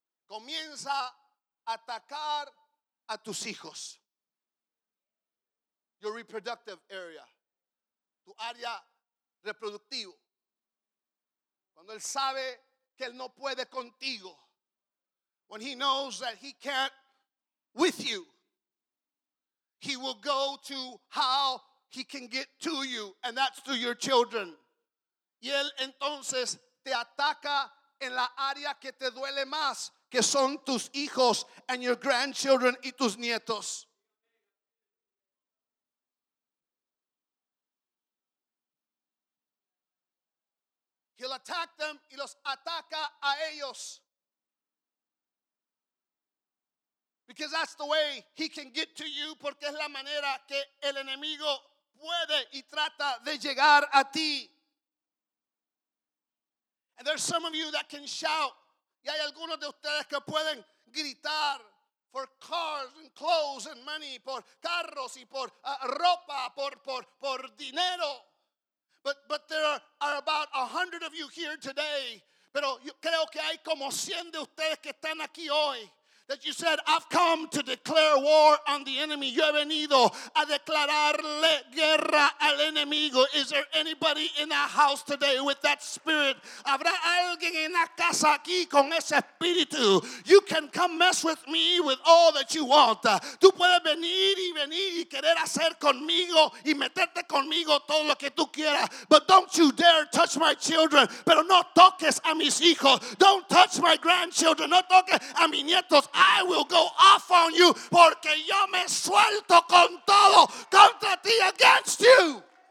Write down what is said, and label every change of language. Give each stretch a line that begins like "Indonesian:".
Spanish: Comienza a atacar a tus hijos.
English: Your reproductive area.
Spanish: Tu área reproductivo. Cuando él sabe que él no puede contigo.
English: When he knows that he can't with you. He will go to how he can get to you, and that's to your children.
Spanish: Y él entonces te ataca en la área que te duele más, que son tus hijos
English: and your grandchildren
Spanish: y tus nietos.
English: He'll attack them
Spanish: y los ataca a ellos.
English: Because that's the way he can get to you,
Spanish: porque es la manera que el enemigo puede y trata de llegar a ti.
English: And there's some of you that can shout.
Spanish: Y hay algunos de ustedes que pueden gritar
English: for cars and clothes and money,
Spanish: por carros y por ropa, por dinero.
English: But there are about 100 of you here today.
Spanish: Pero yo creo que hay como 100 de ustedes que están aquí hoy.
English: That you said, I've come to declare war on the enemy.
Spanish: Yo he venido a declararle guerra al enemigo.
English: Is there anybody in the house today with that spirit?
Spanish: ¿Habrá alguien en la casa aquí con ese espíritu?
English: You can come mess with me with all that you want.
Spanish: Tú puedes venir y venir y querer hacer conmigo y meterte conmigo todo lo que tú quieras.
English: But don't you dare touch my children.
Spanish: Pero no toques a mis hijos.
English: Don't touch my grandchildren.
Spanish: No toques a mis nietos.
English: I will go off on you
Spanish: porque yo me suelto con todo contra ti,
English: against you.